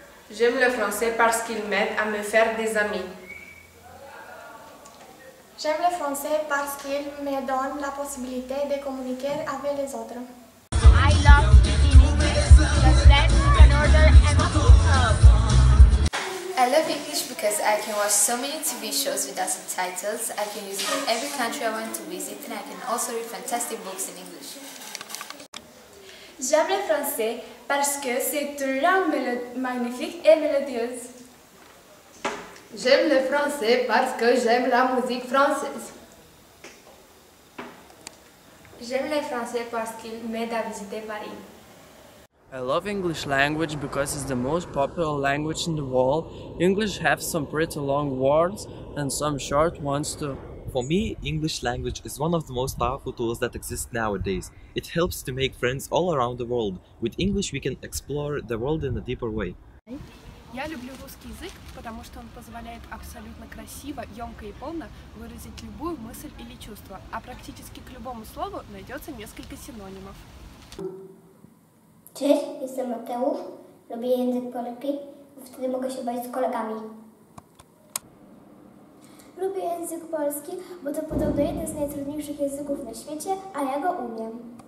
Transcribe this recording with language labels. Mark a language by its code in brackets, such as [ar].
[fr] J'aime le français parce qu'il m'aide à me faire des amis. J'aime le français parce qu'il me donne la possibilité de communiquer avec les autres. [en] I love speaking English because then you can order and eat up. I love English because I can watch so many TV shows without subtitles, I can use it in every country I want to visit, and I can also read fantastic books in English. [fr] J'aime le français parce que c'est une langue magnifique et mélodieuse. J'aime le français parce que j'aime la musique française. J'aime le français parce qu'il m'aide à visiter Paris. [en] I love English language because it's the most popular language in the world. English has some pretty long words and some short ones too. For me, English language is one of the most powerful tools that exist nowadays. It helps to make friends all around the world. With English, we can explore the world in a deeper way. [ru] Я люблю русский язык, потому что он позволяет абсолютно красиво, ёмко и полно выразить любую мысль или чувство. А практически к любому слову найдется несколько синонимов. [pl] Cześć, jestem Mateusz. Lubię język polski, bo wtedy mogę się bawić z kolegami. Lubię język polski, bo to podobno jeden z najtrudniejszych języków na świecie, a ja go umiem.